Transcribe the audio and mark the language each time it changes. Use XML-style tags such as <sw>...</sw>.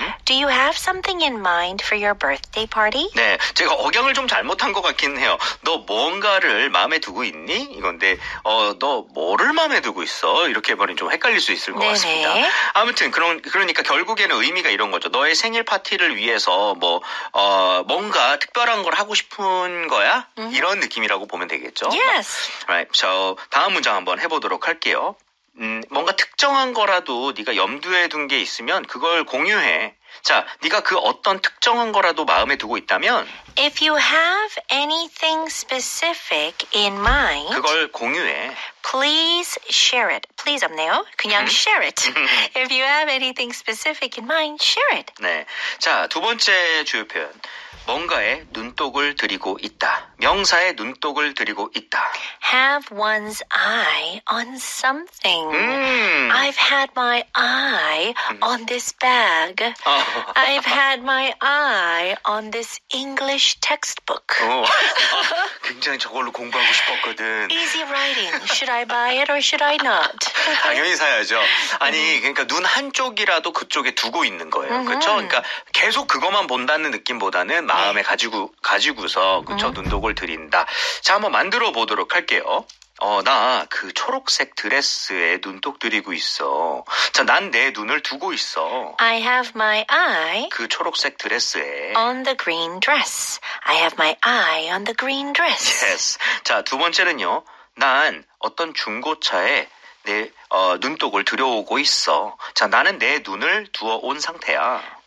<en>Do you have something in mind for your birthday party?</en> <ko>네, 제가 억양을 좀 잘못한 것 같긴 해요. 너 뭔가를 마음에 두고 있니? 이건데 너 뭐를 마음에 두고 있어? 이렇게 말은 좀 헷갈릴 수 있을 것 네네. 같습니다. 아무튼 그러니까 결국에는 의미가 이런 거죠. 너의 생일 파티를 위해서 뭐 뭔가 특별한 걸 하고 싶은 거야? 이런 느낌이라고 보면 되겠죠.</ko> <en>Yes. Right.</en> <ko>저 다음 문장 한번 해보도록 할게요. 뭔가 특정한 거라도 네가 염두에 둔 게 있으면 그걸 공유해. 자, 네가 그 어떤 특정한 거라도 마음에 두고 있다면</ko> <en>If you have anything specific in mind</en> <ko>그걸 공유해.</ko> <en>Please share it. Please</en> <ko>없네요. 그냥</ko> <en>share it. If you have anything specific in mind, share it.</en> <ko>네. 자, 두 번째 주요 표현. 뭔가에 눈독을 들이고 있다. 명사에 눈독을 들이고 있다.</ko> <en>Have one's eye on something. I've had my eye on this bag. I've had my eye on this English textbook.</en> <ko>굉장히 저걸로 공부하고 싶었거든.</ko> <en>Easy writing. Should I buy it or should I not?</en> <ko>당연히 사야죠. 아니, 그러니까 눈 한쪽이라도 그쪽에 두고 있는 거예요. 그렇죠? 그러니까 계속 그것만 본다는 느낌보다는 마음에 가지고서 그쵸 눈독을 드린다. 자, 한번 만들어 보도록 할게요. 나 그 초록색 드레스에 눈독 들이고 있어. 자, 난 내 눈을 두고 있어.</ko> <en>I have my eye</en> <ko>그 초록색 드레스에</ko> <en>on the green dress. I have my eye on the green dress. Yes.</en> <ko>자, 두 번째는요. 난 어떤 중고차에 내 눈독을 들여오고 있어. 자, 나는 내 눈을 두어 온 상태야.</ko>